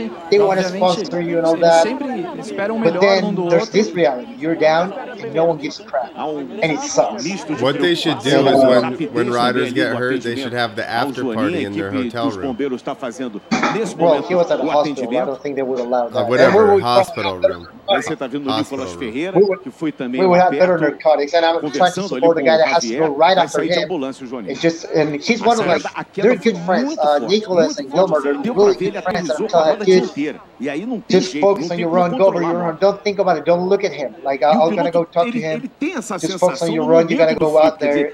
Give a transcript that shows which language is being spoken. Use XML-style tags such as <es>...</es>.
<en>They want to sponsor you and all that. But then there's this reality. You're down and no one gives a crap. And it sucks. What they should do is when riders get hurt, they should have the after party in their hotel room. Well, he was at a hospital. I don't think they would allow that. Whatever, hospital room.</en> <pt>Você tá vendo o Nicolas Ferreira, que foi também um aberto conversando ali com o Javier, vai sair de ambulância o Joninho.</pt> <en>He's one of my, they're good friends, Nicolas and Gilbert are really good friends, I'm telling you, kid, just focus on your run, go over your run, don't think about it, don't look at him, like, I'm gonna go talk to him, just focus on your run, you gotta go out there</en>